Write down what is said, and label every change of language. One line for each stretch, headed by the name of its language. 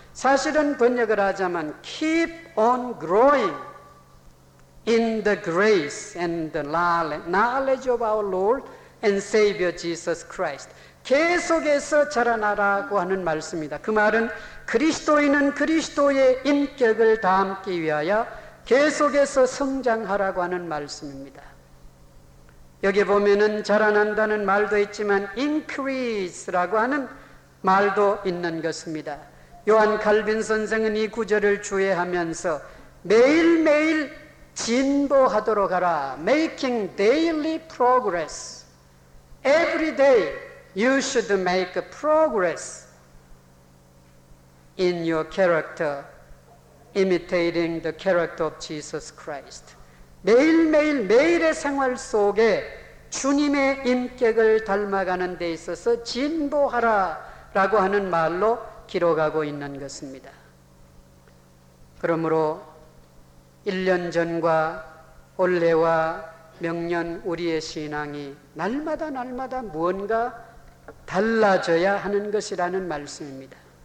Korean: 사실은 번역을 하자면
English: Keep on growing in the grace and the knowledge of our Lord and Savior Jesus Christ.
Korean: 계속해서 자라나라고 하는 말씀입니다. 그 말은 그리스도인은 그리스도의 인격을 담기 위하여 계속해서 성장하라고 하는 말씀입니다. 여기 보면은 자라난다는 말도 있지만 increase라고 하는 말도 있는 것입니다. 요한 칼빈 선생은 이 구절을 주의하면서 매일매일 진보하도록 하라,
English: making daily progress. Every day you should make a progress in your character, imitating the character of Jesus Christ.
Korean: 매일매일 매일의 생활 속에 주님의 인격을 닮아가는 데 있어서 진보하라 라고 하는 말로 기록하고 있는 것입니다. 그러므로 1년 전과 올해와 명년 우리의 신앙이 날마다 날마다 무언가 달라져야 하는 것이라는 말씀입니다.